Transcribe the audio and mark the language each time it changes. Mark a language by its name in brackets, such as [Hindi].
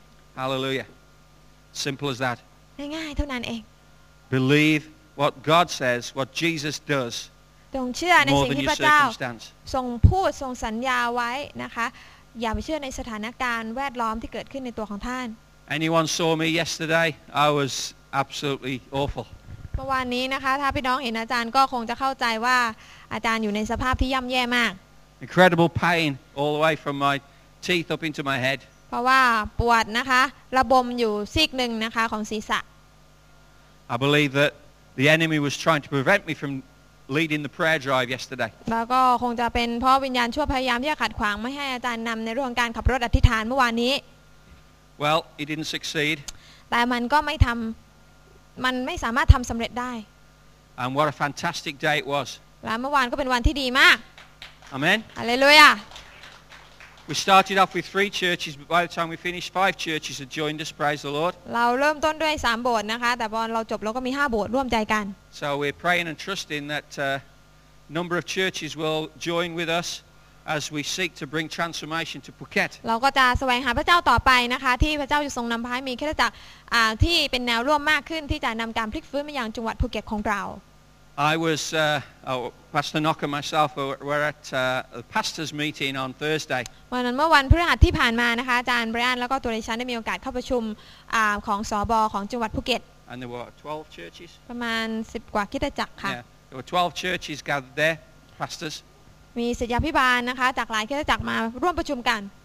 [English] ๆ Hallelujah Simple as that [Thai] ง่ายๆเท่านั้นเอง [English] Believe what God says what Jesus does [Thai] จงเชื่อในสิ่งที่พระเจ้าทรงพูดทรงสัญญาไว้นะคะอย่าไปเชื่อในสถานการณ์แวดล้อมที่เกิดขึ้นในตัวของท่าน [English] Anyone saw me yesterday I was absolutely awful [Thai] เมื่อวานนี้นะคะถ้าพี่น้องเห็นอาจารย์ก็คงจะเข้าใจว่าอาจารย์อยู่ในสภาพที่ย่ำแย่มาก [English] Incredible pain all the way from my teeth up into my head [Thai] เพราะว่าปวดนะคะระบมอยู่ซีกหนึ่งนะคะของศีรษะ [English] I believe that the enemy was trying to prevent me from leading the prayer drive yesterday [Thai] แล้วก็คงจะเป็นเพราะวิญญาณชั่วพยายามที่จะขัดขวางไม่ให้อาจารย์นำในเรื่องการขับรถอธิษฐานเมื่อวานนี้ [English] Well it didn't succeed [Thai] แต่มันก็ไม่ทำมันไม่สามารถทำสำเร็จได้ [English] And what a fantastic day it was [Thai] และเมื่อวานก็เป็นวันที่ดีมาก [English] Amen Hallelujah We started off with 3 churches but by the time we finished 5 churches had joined us praise the Lord [Thai] เราเริ่มต้นด้วย3โบสถ์นะคะแต่พอเราจบเราก็มี5โบสถ์ร่วมใจกัน [English] So we're praying and trusting that number of churches will join with usAs we seek to bring transformation to Phuket, [Thai] เราก็จะแสวงหาพระเจ้าต่อไปนะคะที่พระเจ้าจะทรงนำพาให้มีคริสตจักรที่เป็นแนวร่วมมากขึ้นที่จะนำการพลิกฟื้นมายังจังหวัดภูเก็ตของเรา [English] I was Pastor Nock and myself were at the pastors meeting on Thursday. [Thai] วันนั้นเมื่อวันพฤหัสที่ผ่านมานะคะอาจารย์ไบรอันแล้วก็ตัวดิฉันได้มีโอกาสเข้าประชุมของสบของจังหวัดภูเก็ต [English] And there were 12 churches. [Thai] ประมาณ10กว่าคริสตจักรค่ะ [English] There were 12 churches gathered there, pastors. [Thai] มีศิษยาภิบาลนะคะจากหลายคริสตจักรมาร่วมประชุมกัน